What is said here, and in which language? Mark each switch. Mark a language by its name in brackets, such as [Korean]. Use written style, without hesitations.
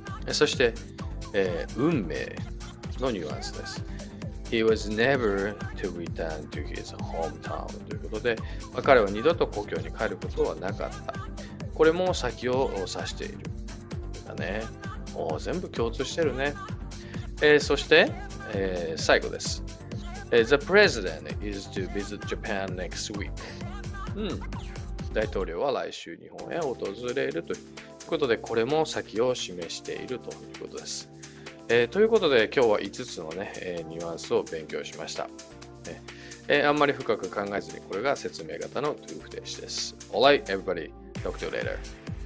[Japanese] そして、運命のニュアンスです。 [English] He was never to return to his hometown [Japanese] ということで、まあ、彼は二度と故郷に帰ることはなかった。これも先を指している。だね。もう全部共通してるね。そして、最後です。 [English] The president is to visit Japan next week. うん。 [Japanese] 大統領は来週日本へ訪れるということで、これも先を示しているということです。ということで、今日は5つのね、ニュアンスを勉強しました。あんまり深く考えずに、これが説明型の to 不定詞です。 [English] Alright, everybody. Talk to you later.